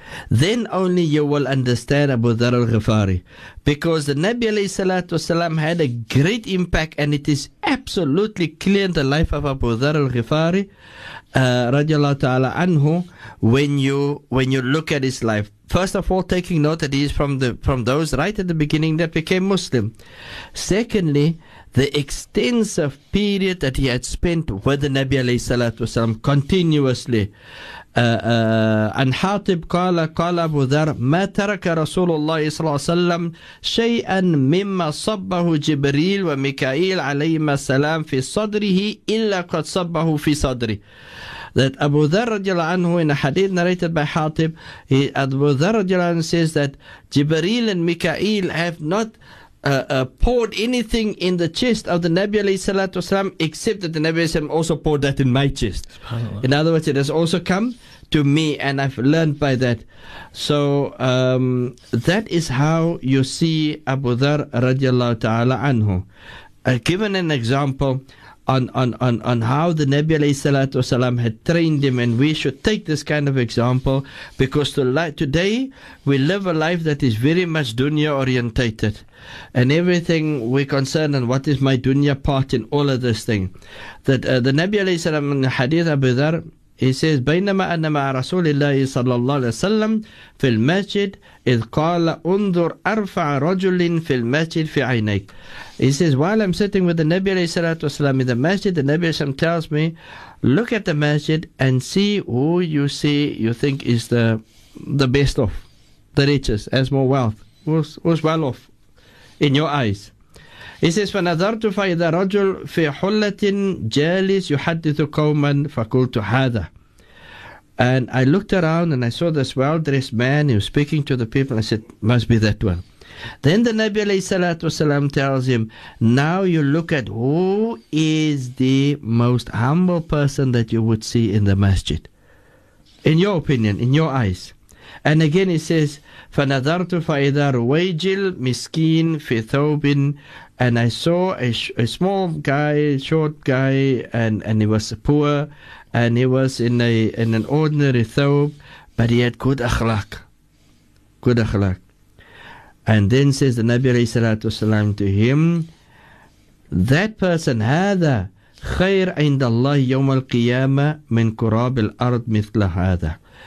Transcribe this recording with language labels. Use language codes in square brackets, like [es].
[en] Then only you will understand Abu Dhar al-Ghifari. Because the Nabi alayhi salatu wasalam had a great impact, and it is absolutely clear in the life of Abu Dhar al-Ghifari, radiallahu ta'ala anhu, when you look at his life. First of all, taking note that he is from those right at the beginning that became Muslim. Secondly, the extensive period that he had spent with the Nabi alayhi salatu wasalam continuously. [ar] عن حاطب قال قال أبو ذر ما ترك رسول الله صلى الله عليه وسلم شيئا مما صبه جبريل وميكائيل عليهما السلام في صدره إلا قد صبه في صدره. [en] That Abu Dharr radiallahu anhu, in a hadith narrated by Hatib, Abu Dharr radiallahu anhu says that Jibreel and Mikael have not poured anything in the chest of the Nabi alayhi salatu wasalam, except that the Nabi alayhi salam also poured that in my chest. In other words, it has also come to me, and I've learned by that. So that is how you see Abu Dharr radiallahu ta'ala anhu. Given an example on how the Nabi alayhi salatu wasalam had trained him, and we should take this kind of example, because today we live a life that is very much dunya orientated, and everything we concern and what is my dunya part in all of this thing. That the Nabi alayhi salam in hadith Abu Dharr, he says [ar] بينما أنا مع رسول الله صلى الله عليه وسلم في المسجد إذ قال انظر أرفع رجل في المسجد في عينيك. [en] He says, while I'm sitting with the Nabi alayhi salatu wasalam in the masjid, the Nabi alayhi salam tells me, look at the masjid and see who you think is the best of, the richest, has more wealth, who's well off in your eyes. He says, [ar] فَنَذَرْتُ فَإِذَا رَجُلْ فِي حُلَّةٍ جَالِسْ يُحَدِّثُ قَوْمًا فَقُلْتُ هَذَا. [en] And I looked around and I saw this well-dressed man who was speaking to the people. I said, must be that one. Then the Nabi alayhi salatu wasalam tells him, now you look at who is the most humble person that you would see in the masjid, in your opinion, in your eyes. And again he says, [ar] فَنَذَرْتُ فَإِذَا رُوَيْجِلْ مِسْكِينْ فِي ثَوْبٍ. [en] And I saw a small guy, short guy, and he was poor, and he was in an ordinary thawb, but he had good akhlaq. Good akhlaq. And then says the Nabi alayhi salatu wasalam to him, that person, [ar] هذا خير عند الله يوم القيامة من كراب الأرض مثل هذا.